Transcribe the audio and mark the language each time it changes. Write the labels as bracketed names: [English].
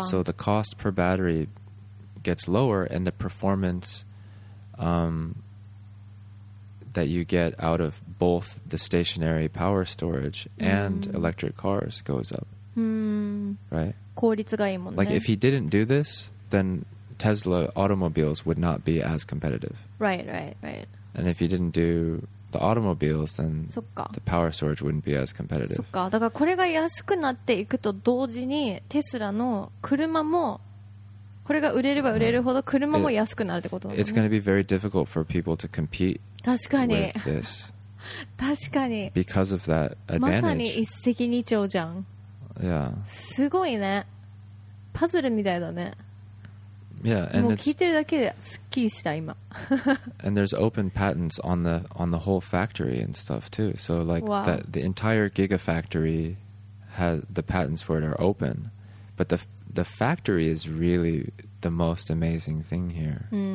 [English] So the cost per battery gets lower, and the performance that you get out of both the stationary power storage and electric cars goes up. Right? [Japanese] 効率がいいもんね。 [English] Like, if he didn't do this, then Tesla automobiles would not be as competitive. Right, right, right. And if he didn't do the automobiles, then the power storage wouldn't be as competitive. [Japanese] そっか。だからこれが安くなっていくと同時に、テスラの車も、これが売れれば売れるほど車も安くなるってことなんだね。 [English] It's going to be very difficult for people to compete [Japanese] 確かに。 [English] with this. [Japanese] 確かに。 [English] Because of that advantage. [Japanese] まさに一石二鳥じゃん。 [English] Yeah. [Japanese] すごいね。パズルみたいだね。 [English] Yeah, and [Japanese] もう聞いてるだけでスッキリした今。 [English] And there's open patents on the whole factory and stuff too. So like wow. the entire Gigafactory has the patents for it are open. But the factory is really the most amazing thing here.